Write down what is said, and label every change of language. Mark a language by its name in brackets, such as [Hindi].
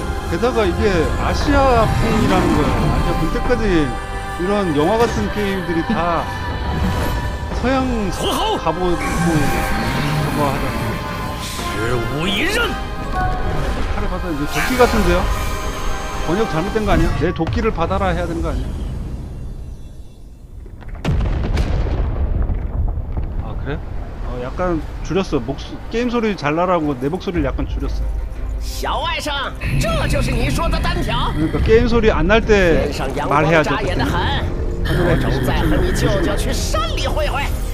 [Korean] 게다가 이게 아시아풍이라는 거야. 아시아 볼 때까지 이런 영화 같은 게임들이 다 서양 가보고 뭐 하잖아. 칼을 받아. 이제 도끼 같은데요? 번역 잘못된 거 아니야? 내 도끼를 받아라 해야 되는 거 아니야? 아, 그래? 어, 약간 줄였어. 게임 소리 잘 나라고 내 목소리를 약간 줄였어. [Chinese] 小外甥，这就是您说的单挑。 [Korean] 그러니까 게임 소리 안 날 때 말해야죠. [Chinese] 我正在和你舅舅去山里会会。